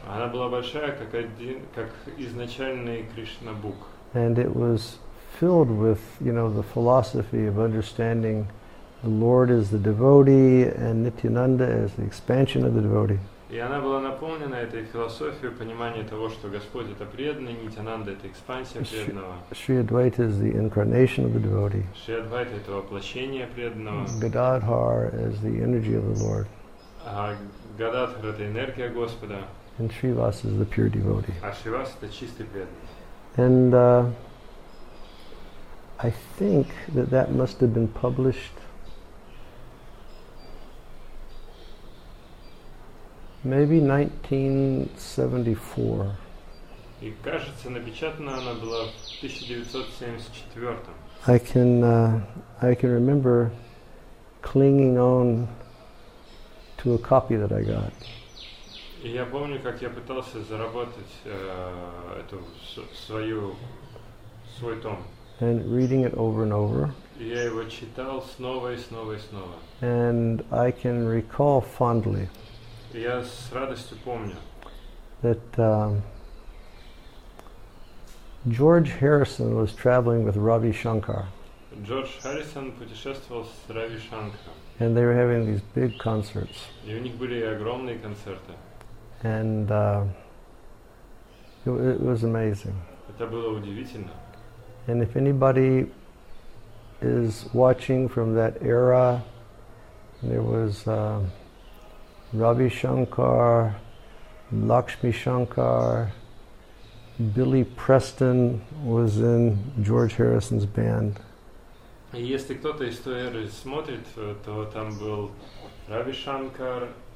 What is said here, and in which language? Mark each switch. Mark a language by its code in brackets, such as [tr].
[ru] Она была большая, как изначальный Krishna book. [en] And it was filled with, you know, the philosophy of understanding the Lord is the devotee, and Nityananda is the expansion of the devotee. [ru] И она была наполнена этой философией понимания того, что Господь — это преданный, Нитянанда — это экспансия преданного. [en] Sri Advaita is the incarnation of the devotee. [ru] Sri Advaita — это воплощение преданного. [en] Gadadhar is the energy of the Lord. [ru] Гададхар — это энергия Господа. [en] And Srivas is the pure devotee. [ru] А Шривас — это чистый преданный. [en] And I think that must have been published maybe 1974. [ru] И кажется, напечатана она была в 1974. [en] I can remember clinging on to a copy that I got. [ru] И я помню, как я пытался заработать эту свою свой том. [en] And reading it over and over. [ru] И я его читал снова и снова и снова. [en] And I can recall fondly. [ru] И я с радостью помню. [en] That George Harrison was traveling with Ravi Shankar. [ru] George Harrison путешествовал с Рави Шанкаром. [en] And they were having these big concerts. [ru] И у них были огромные концерты. [en] And it was amazing. [ru] Это было удивительно. [en] And if anybody is watching from that era, there was Ravi Shankar, Lakshmi Shankar, Billy Preston was in George Harrison's band. [ru] И если кто-то из той эры смотрит, то там был Рави Шанкар,